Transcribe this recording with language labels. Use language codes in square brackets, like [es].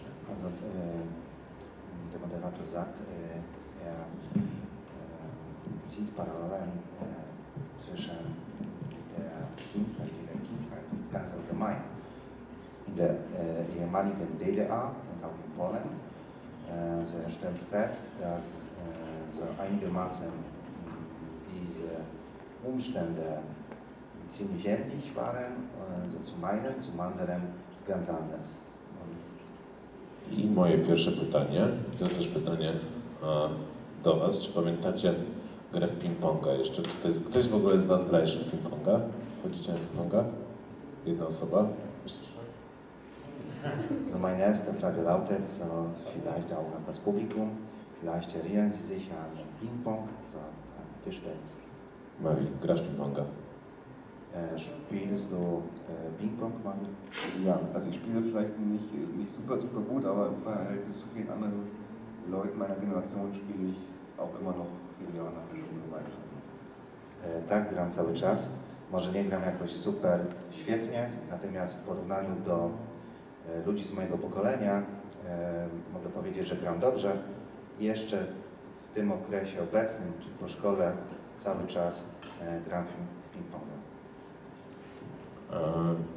[de] Also, der Moderator sagt, er zieht Parallelen zwischen der Kindheit, ganz allgemein, in der ehemaligen DDR und auch in Polen. So er stellt fest, dass so einigermaßen diese Umstände ziemlich ähnlich waren, so zum einen, zum anderen ganz anders. [pl] I moje pierwsze pytanie, to jest też pytanie do Was. Czy pamiętacie grę w ping-ponga jeszcze? Ktoś w ogóle z Was gra jeszcze w ping-ponga? Chodzicie na ping-ponga? Jedna osoba? [de] So meine erste Frage lautet, so vielleicht auch an das Publikum, vielleicht erinnern Sie sich an den Ping-Pong, so an Tischtennis. [pl] Mawi, grasz Ping-Ponga? [de] Spielst du Ping-Pong, Mawi? Ja, also ich spiele vielleicht nicht super, super gut, aber im Verhältnis zu vielen anderen Leuten meiner Generation spiele ich auch immer noch viele Jahre nach der Schule weiter. [pl] Tak, gram cały czas. Może nie gram jakoś super świetnie, natomiast w porównaniu do ludzi z mojego pokolenia mogę powiedzieć, że gram dobrze. Jeszcze w tym okresie obecnym, czyli po szkole, cały czas gram w ping-ponga.